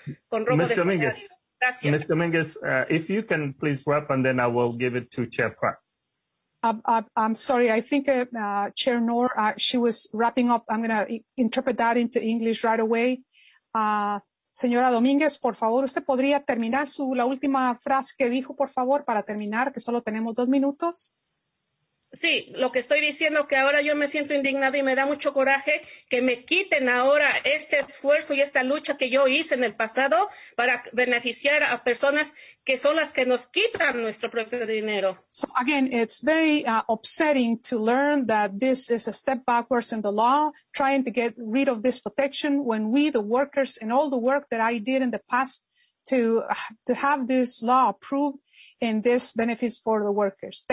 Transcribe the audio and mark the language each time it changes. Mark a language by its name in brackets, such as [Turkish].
[English] Ms. Dominguez, if you can please wrap, and then I will give it to Chair Pratt. I'm sorry. I think Chair Noor, she was wrapping up. I'm going to interpret that into English right away. [Spanish] Señora Dominguez, por favor, usted podría terminar la última frase que dijo, por favor, para terminar, que solo tenemos dos minutos. Sí, lo que estoy diciendo que ahora yo me siento indignada y me da mucho coraje que me quiten ahora este esfuerzo y esta lucha que yo hice en el pasado para beneficiar a personas que son las que nos quitan nuestro propio dinero. [English] So again, it's very upsetting to learn that this is a step backwards in the law, trying to get rid of this protection when we, the workers, and all the work that I did in the past to have this law approved and this benefits for the workers.